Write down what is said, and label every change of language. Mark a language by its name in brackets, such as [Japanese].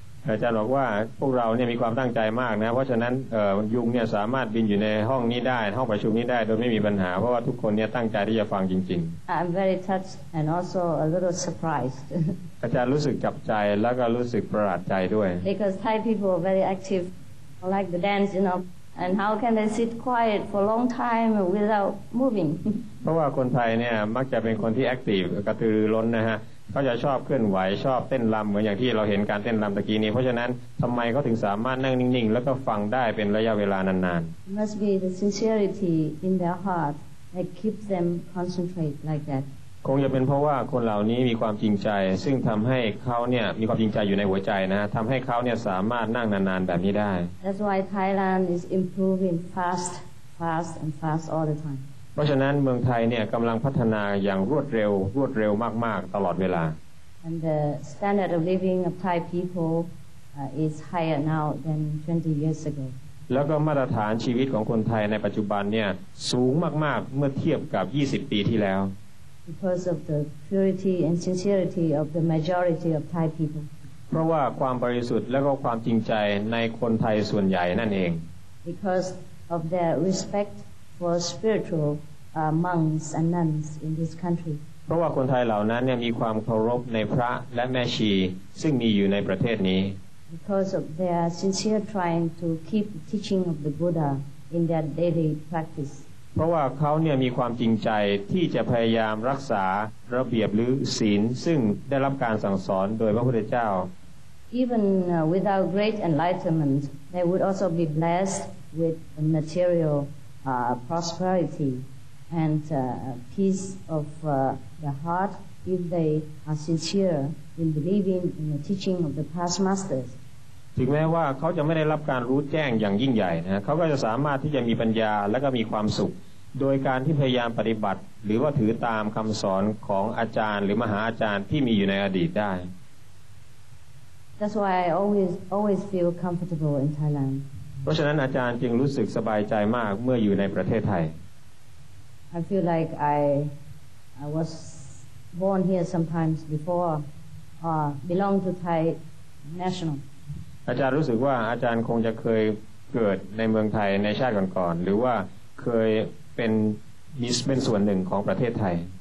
[Thai] อาจารย์บอกว่าพวกเราเนี่ยมีความตั้งใจมากนะเพราะฉะนั้นยุงเนี่ยสามารถบินอยู่ในห้องนี้ได้ห้องประชุมนี้ได้โดยไม่มีปัญหาเพราะว่าทุกคนเนี่ยตั้งใจที่จะฟังจริง [English] ๆ I'm very touched and also a little surprised [Thai] อาจารย์รู้สึกจับใจแล้วก็รู้สึกประหลาดใจด้วย [English] Because Thai people are very active I like the dance you know and how can they sit quiet for a long time without moving [Thai] เพราะว่าคนไทยเนี่ยมักจะเป็นคนที่ active กระตือรือร้นนะฮะเขาจะชอบเคลื่อนไหวชอบเต้นรำเหมือนอย่างที่เราเห็นการเต้นรำตะกี้นี้เพราะฉะนั้นทำไมเขาถึงสามารถนั่งนิ่งๆแล้วก็ฟังได้เป็นระยะเวลานาน [English] ๆ Must be the sincerity in their heart that keeps them concentrate like that [Thai] คงจะเป็นเพราะว่าคนเหล่านี้มีความจริงใจซึ่งทำให้เขาเนี่ยมีความจริงใจอยู่ในหัวใจนะทำให้เขาเนี่ยสามารถนั่งนานๆแบบนี้ได้ [English] That's why Thailand is improving fast all the time [Thai] เพราะฉะนั้นเมืองไทยเนี่ยกำลังพัฒนาอย่างรวดเร็วมากๆตลอดเวลา [English] And the standard of living of Thai people is higher now than 20 years ago [Thai] แล้วก็มาตรฐานชีวิตของคนไทยในปัจจุบันเนี่ยสูงมากๆเมื่อเทียบกับ20ปีที่แล้ว [English] Because of the purity and sincerity of the majority of Thai people [Thai] เพราะว่าความบริสุทธิ์และก็ความจริงใจในคนไทยส่วนใหญ่นั่นเอง [English] Because of their respectfor spiritual monks and nuns in this country [Thai] เพราะว่าคนไทยเหล่านั้นเนี่ยมีความเคารพในพระและแม่ชีซึ่งมีอยู่ในประเทศนี้ [English] because of their sincere trying to keep the teaching of the Buddha in their daily practice [Thai] เพราะว่าเขาเนี่ยมีความจริงใจที่จะพยายามรักษาระเบียบหรือศีลซึ่งได้รับการสั่งสอนโดยพระพุทธเจ้า [English] even without great enlightenment they would also be blessed with materialprosperity and peace of the heart if they are sincere in believing in the teaching of the past masters [Thai] ถึงแม้ว่าเขาจะไม่ได้รับการรู้แจ้งอย่างยิ่งใหญ่นะเขาก็จะสามารถที่จะมีปัญญาและก็มีความสุขโดยการที่พยายามปฏิบัติหรือว่าถือตามคำสอนของอาจารย์หรือมหาอาจารย์ที่มีอยู่ในอดีตได้ [English] That's why I always feel comfortable in Thailand. [Thai] เพราะฉะนั้นอาจารย์จึงรู้สึกสบายใจมากเมื่ออยู่ในประเทศไทย [English] I feel like I was born here sometimes before belong to Thai national. [Thai] อาจารย์รู้สึกว่าอาจารย์คงจะเคยเกิดในเมืองไทยในชาติก่อนๆหรือว่าเคยเป็นส่วนหนึ่งของประเทศไทย